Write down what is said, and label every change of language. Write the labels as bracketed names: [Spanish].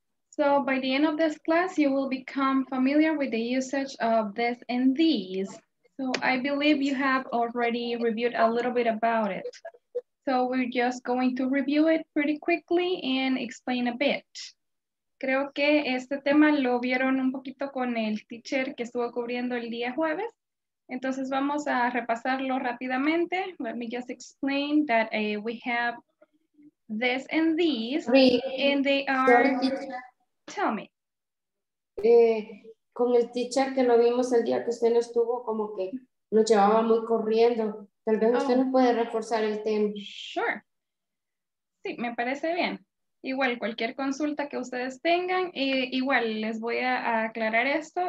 [English] So by the end of this class, you will become familiar with the usage of this and these. So I believe you have already reviewed a little bit about it. So we're just going to review it pretty quickly and explain a bit. [Spanish] Creo que este tema lo vieron un poquito con el teacher que estuvo cubriendo el día jueves. Entonces vamos a repasarlo rápidamente. [English] Let me just explain that we have this and these. And they are... Tell me. [Spanish] Con el teacher que lo vimos el día que usted no estuvo, como que lo llevaba muy corriendo. Tal vez usted nos puede reforzar el tema. Sure. Sí, me parece bien. Igual, cualquier consulta que ustedes tengan, igual les voy a aclarar esto.